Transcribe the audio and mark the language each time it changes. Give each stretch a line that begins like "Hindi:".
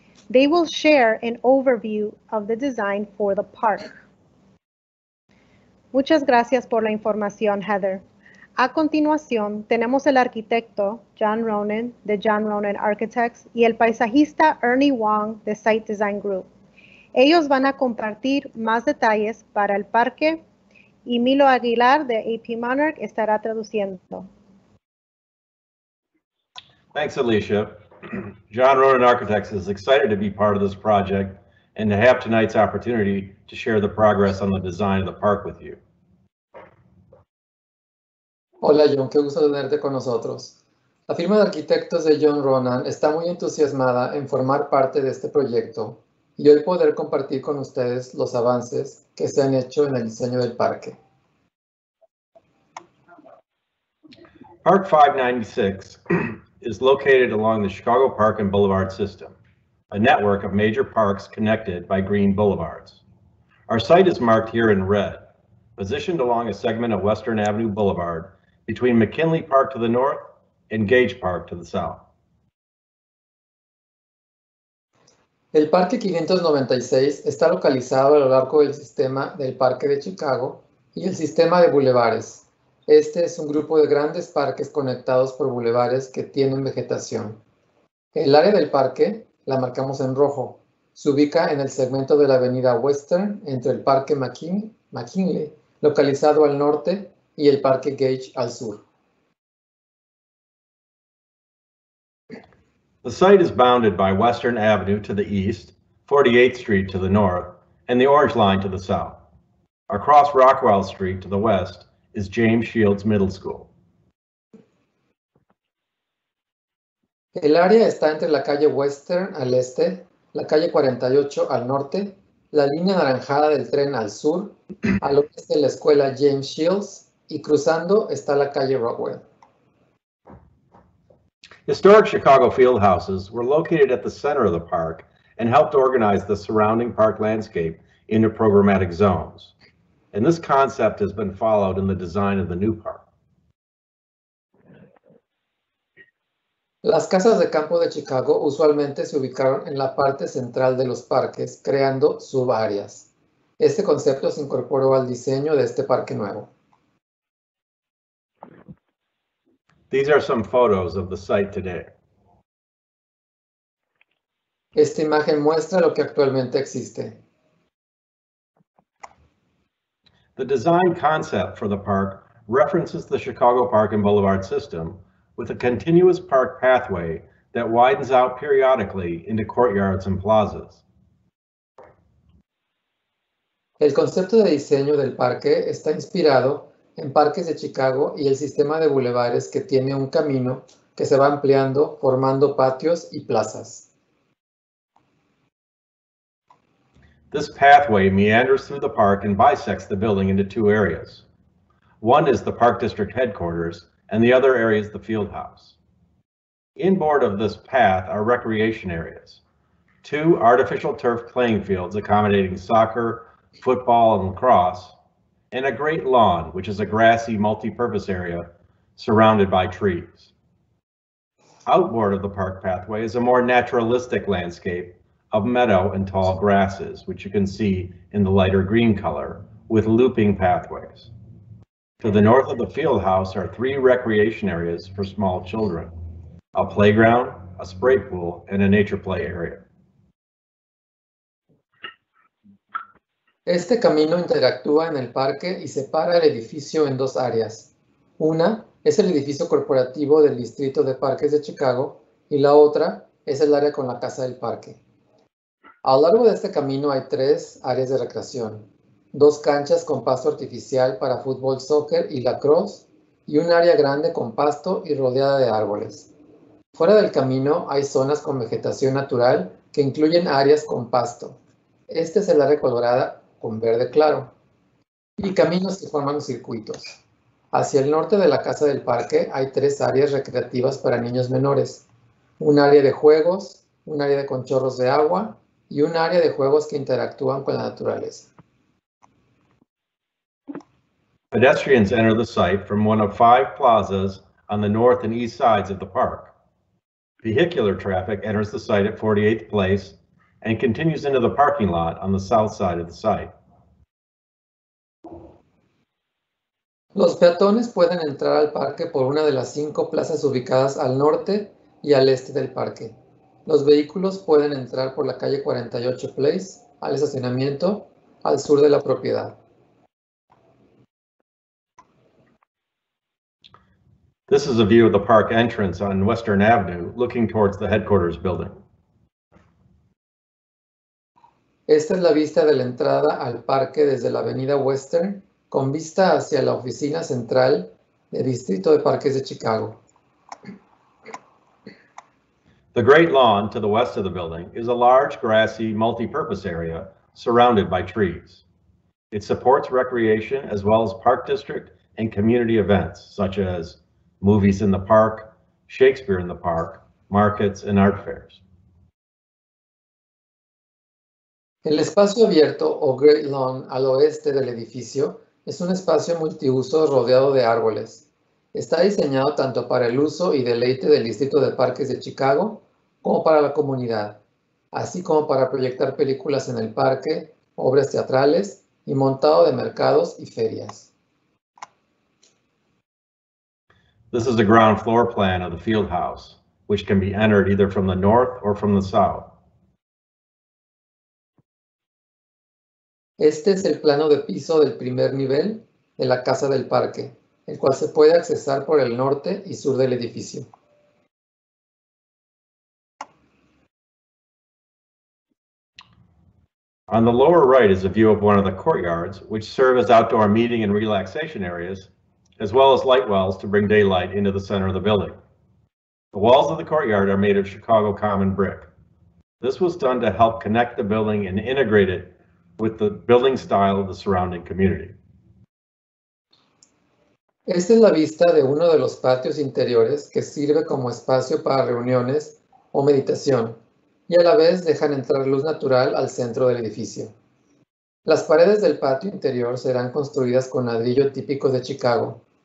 English: They will share an overview of the design for the park.
Spanish: Muchas gracias por la información, Heather. A continuación, tenemos el arquitecto John Ronan de John Ronan Architects y el paisajista Ernie Wong de Site Design Group. Ellos van a compartir más detalles para el parque y Milo Aguilar de AP Monarch estará traduciendo.
English: Thanks, Alicia. John Ronan Architects is excited to be part of this project and to have tonight's opportunity to share the progress on the design of the park with you.
Spanish: Hola, John, qué gusto tenerte con nosotros. La firma de arquitectos de John Ronan está muy entusiasmada en formar parte de este proyecto y hoy poder compartir con ustedes los avances que se han hecho en el diseño del parque.
English: Park 596 is located along the Chicago Park and Boulevard system, a network of major parks connected by green boulevards. Our site is marked here in red, positioned along a segment of Western Avenue Boulevard between McKinley Park to the north and Gage Park to the south.
Spanish: El Parque 596 está localizado a lo largo del sistema del Parque de Chicago y el sistema de bulevares. Este es un grupo de grandes parques conectados por bulevares que tienen vegetación. El área del parque la marcamos en rojo. Se ubica en el segmento de la avenida Western entre el Parque McKinley, localizado al norte, y el Parque Gage al sur.
English: The site is bounded by Western Avenue to the east, 48th Street to the north, and the Orange Line to the south. Across Rockwell Street to the west is James Shields Middle School.
Spanish: El área está entre la calle Western al este, la calle 48 al norte, la línea anaranjada del tren al sur, al oeste la escuela James Shields, y cruzando está la calle Rockwell.
English: Historic Chicago field houses were located at the center of the park and helped organize the surrounding park landscape into programmatic zones. And this concept has been followed in the design of the new park.
Spanish: Las casas de campo de Chicago usualmente se ubicaron en la parte central de los parques, creando subáreas. Este concepto se incorporó al diseño de este parque nuevo.
English: These are some photos of the site today.
Spanish: Esta imagen muestra lo que actualmente existe.
English: The design concept for the park references the Chicago Park and Boulevard system with a continuous park pathway that widens out periodically into courtyards and plazas.
Spanish: El concepto de diseño del parque está inspirado en parques de Chicago y el sistema de bulevares que tiene un camino que se va ampliando formando patios y plazas.
English: This pathway meanders through the park and bisects the building into two areas. One is the park district headquarters and the other area is the field house. Inboard of this path are recreation areas, two artificial turf playing fields accommodating soccer, football, and lacrosse, and a great lawn, which is a grassy multi-purpose area surrounded by trees. Outboard of the park pathway is a more naturalistic landscape of meadow and tall grasses, which you can see in the lighter green color, with looping pathways. To the north of the field house are three recreation areas for small children, a playground, a spray pool, and a nature play area.
Spanish: Este camino interactúa en el parque y separa el edificio en dos áreas. Una es el edificio corporativo del Distrito de Parques de Chicago y la otra es el área con la casa del parque. A lo largo de este camino hay tres áreas de recreación, dos canchas con pasto artificial para fútbol, soccer y lacrosse y un área grande con pasto y rodeada de árboles. Fuera del camino hay zonas con vegetación natural que incluyen áreas con pasto. Esta es el área colorada con verde claro y caminos que forman circuitos. Hacia el norte de la casa del parque hay tres áreas recreativas para niños menores. Un área de juegos, un área con chorros de agua y un área de juegos que interactúan con la naturaleza.
English: Pedestrians enter the site from one of five plazas on the north and east sides of the park. Vehicular traffic enters the site at 48th Place and continues into the parking lot on the south side of the site.
Spanish: Los peatones pueden entrar al parque por una de las cinco plazas ubicadas al norte y al este del parque. Los vehículos pueden entrar por la calle 48 Place al estacionamiento al sur de la propiedad.
English: This is a view of the park entrance on Western Avenue, looking towards the headquarters building.
Spanish: Esta es la vista de la entrada al parque desde la avenida Western, con vista hacia la oficina central del Distrito de Parques de Chicago.
English: The great lawn to the west of the building is a large grassy multi-purpose area surrounded by trees. It supports recreation as well as park district and community events such as Movies in the Park, Shakespeare in the Park, Markets and Art Fairs.
Spanish: El espacio abierto o Great Lawn al oeste del edificio es un espacio multiuso rodeado de árboles. Está diseñado tanto para el uso y deleite del Distrito de Parques de Chicago como para la comunidad, así como para proyectar películas en el parque, obras teatrales y montado de mercados y ferias.
English: This is the ground floor plan of the field house, which can be entered either from the north or from the south.
Spanish: Este es el plano de piso del primer nivel de la casa del parque, el cual se puede accesar por el norte y sur del edificio.
English: On the lower right is a view of one of the courtyards, which serve as outdoor meeting and relaxation areas, as well as light wells to bring daylight into the center of the building. The walls of the courtyard are made of Chicago common brick. This was done to help connect the building and integrate it with the building style of the surrounding community.
Spanish: Esta es la vista de uno de los patios interiores que sirve como espacio para reuniones o meditación y a la vez dejan entrar luz natural al centro del edificio. Las paredes del patio interior serán construidas con ladrillo típico de Chicago.